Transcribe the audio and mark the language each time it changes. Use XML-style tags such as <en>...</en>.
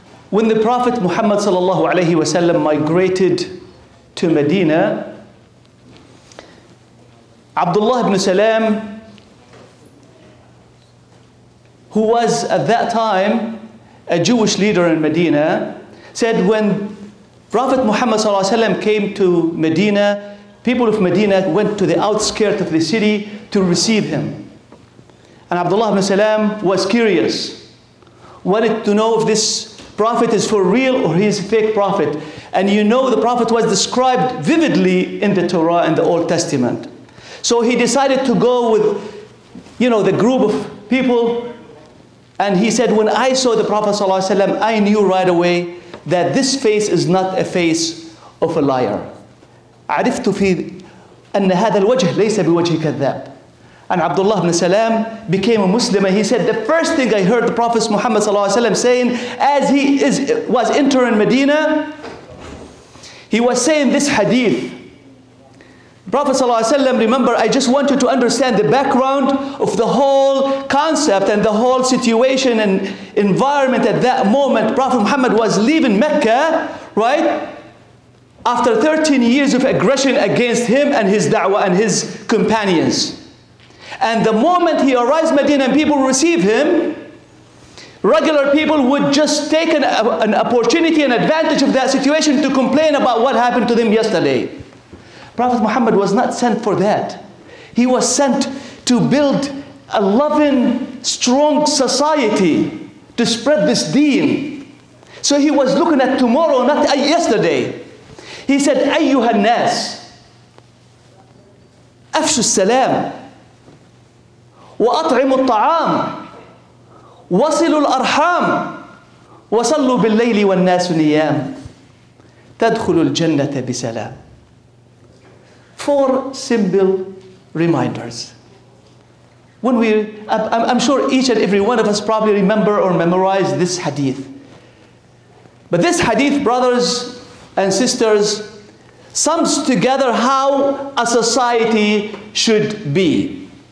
<en>when the Prophet Muhammad sallallahu alaihi wasallam migrated to Medina, Abdullah ibn Salam, who was at that time a Jewish leader in Medina, said when Prophet Muhammad sallallahu alaihi wasallam came to Medina, people of Medina went to the outskirts of the city to receive him. And Abdullah ibn Salam was curious, wanted to know if this Prophet is for real or he is a fake prophet. And you know the Prophet was described vividly in the Torah and the Old Testament. So he decided to go with, you know, the group of people. And he said, when I saw the Prophet sallallahu alaihi wasallam, I knew right away that this face is not a face of a liar.</en> <ar>عرفت في أن هذا الوجه ليس بوجه كذاب.</ar> <en>And Abdullah ibn Salam became a Muslim, and he said, the first thing I heard the Prophet Muhammad sallallahu alaihi wasallam saying as he was entering Medina, he was saying this hadith. Prophet sallallahu alaihi wasallam, remember, I just want you to understand the background of the whole concept and the whole situation and environment at that moment. Prophet Muhammad was leaving Mecca, right? After 13 years of aggression against him and his da'wah and his companions. And the moment he arrives in Medina and people receive him, regular people would just take an opportunity, an advantage of that situation to complain about what happened to them yesterday. Prophet Muhammad was not sent for that. He was sent to build a loving, strong society to spread this deen. So he was looking at tomorrow, not yesterday. He said,</en> <ar>أيها الناس, أفشوا السلام. وأطعموا الطعام وصلوا الأرحام وصلوا بالليل والناس نيام تدخلوا الجنة بسلام.</ar> <en>Four simple reminders. When we, I'm sure each and every one of us probably remember or memorize this hadith. But this hadith, brothers and sisters, sums together how a society should be.</en>